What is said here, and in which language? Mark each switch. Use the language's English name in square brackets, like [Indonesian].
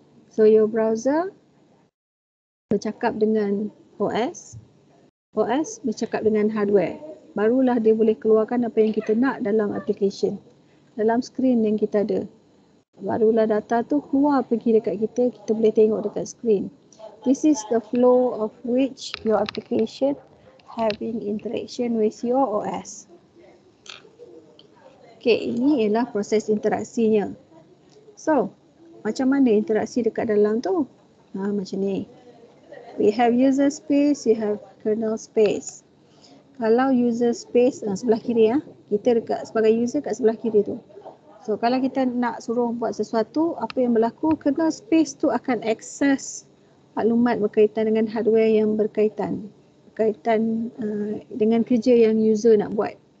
[English] So, your browser [Malay] bercakap dengan [English] OS. [Malay] OS bercakap dengan hardware. Barulah dia boleh keluarkan apa yang kita nak dalam application. Dalam screen yang kita ada. Barulah data tu keluar pergi dekat kita, kita boleh tengok dekat screen. [English] This is the flow of which your application having interaction with your OS. [Malay] Okay, ini ialah proses interaksinya. So, macam mana interaksi dekat dalam tu? Macam ni. [English] We have user space, you have kernel space. [Malay] Kalau user space, sebelah kiri ya. Kita dekat sebagai user kat sebelah kiri tu. So, kalau kita nak suruh buat sesuatu, apa yang berlaku, kernel space tu akan access maklumat berkaitan dengan hardware yang berkaitan. Berkaitan dengan kerja yang user nak buat.